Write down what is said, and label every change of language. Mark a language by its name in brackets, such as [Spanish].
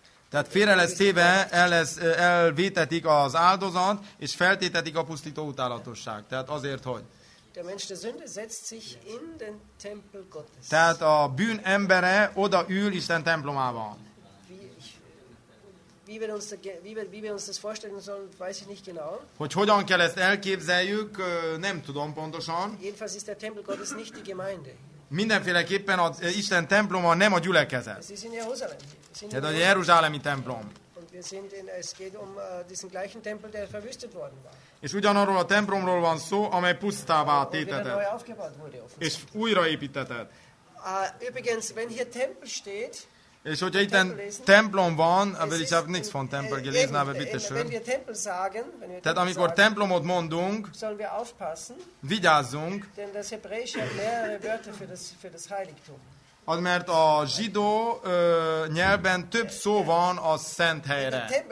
[Hungarian] Tehát félre lesz téve, elvétetik az áldozat, és feltételik a pusztító utálatosság. Tehát azért, hogy. [German] Der Mensch der Sünde setzt sich in den Tempel Gottes. [Hungarian] Tehát a bűn embere oda ül Isten templomában. [German] Wie wir uns das vorstellen sollen, weiß ich nicht genau. [Hungarian] Hogy hogyan kell ezt elképzeljük, nem tudom pontosan. [German] Jedenfalls ist der Tempel Gottes nicht die Gemeinde. [Hungarian] Mindenféleképpen az Isten temploma nem a gyülekezet. [German] Es ist in Jerusalem. [Hungarian] Tehát a jeruzsálemi templom. [German] Und wir sind in, es geht um diesen gleichen Tempel, der verwüstet worden war. [Hungarian] És ugyanarról a templomról van szó, amely pusztává tétetett. [German] Neu aufgebaut wurde, [Hungarian] és újraépítetett. [German] Übrigens, wenn hier Tempel steht, [Hungarian] és hogyha itt templom van, [German] aber ich habe nichts von Tempel gelesen, aber bitte schön. [Hungarian] Tehát amikor templomot mondunk, [German] sollen wir aufpassen, [Hungarian] vigyázzunk, [German] denn das Hebräische hat mehrere Wörter für das Heiligtum. [Hungarian] Az, mert a zsidó nyelven több szó van a szent helyre.